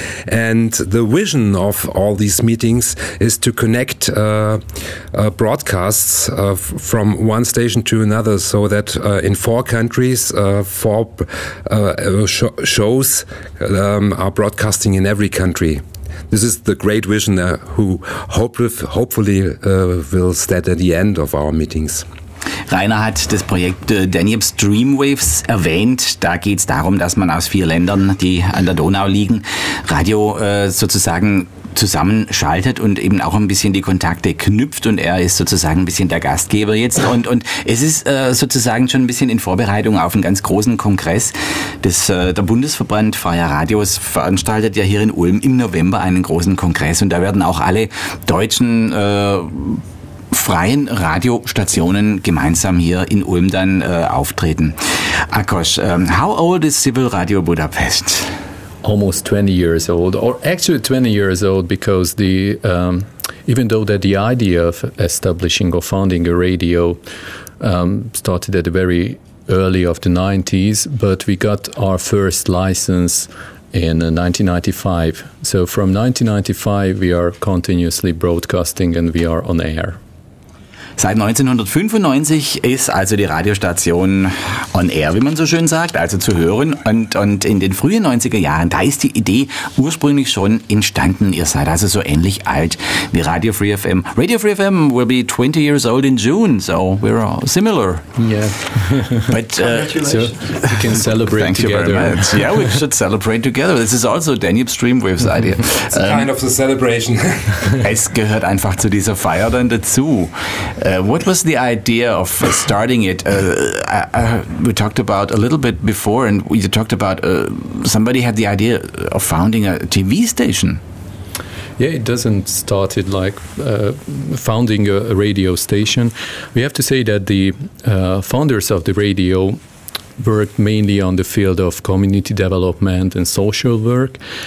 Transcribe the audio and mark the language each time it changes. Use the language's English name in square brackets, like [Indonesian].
[English] And the vision of all these meetings is to connect broadcasts from one station to another, so that in four countries, four shows are broadcasting in every country. This is the great vision who hopefully will stand at the end of our meetings. [German] Rainer hat das Projekt Danube Streamwaves erwähnt. Da geht es darum, dass man aus vier Ländern, die an der Donau liegen, Radio sozusagen zusammenschaltet und eben auch ein bisschen die Kontakte knüpft. Und er ist sozusagen ein bisschen der Gastgeber jetzt. Und es ist sozusagen schon ein bisschen in Vorbereitung auf einen ganz großen Kongress. Der Bundesverband Freier Radios veranstaltet ja hier in Ulm im November einen großen Kongress. Und da werden auch alle deutschen freien Radiostationen gemeinsam hier in Ulm dann auftreten. [English] Akos, how old is Civil Radio Budapest? Almost 20 years old, or actually 20 years old, because the even though that the idea of establishing or founding a radio started at the very early of the 90s, but we got our first license in 1995. So from 1995 we are continuously broadcasting and we are on air. [German] Seit 1995 ist also die Radiostation [English] on air, [German] wie man so schön sagt, also zu hören. Und in den frühen 90er Jahren, da ist die Idee ursprünglich schon entstanden. Ihr seid also so ähnlich alt wie Radio Free FM. [English] Radio Free FM will be 20 years old in June, so we're all similar. Yeah. But congratulations. So we can celebrate thank together. Thank you very much. Yeah, we should celebrate together. This is also Danube Streamwave's idea. It's kind of a celebration. [German] Es gehört einfach zu dieser Feier dann dazu. [English] What was the idea of starting it? We talked about a little bit before, and we talked about somebody had the idea of founding a TV station. Yeah, it doesn't start it like founding a radio station. We have to say that the founders of the radio worked mainly on the field of community development and social work.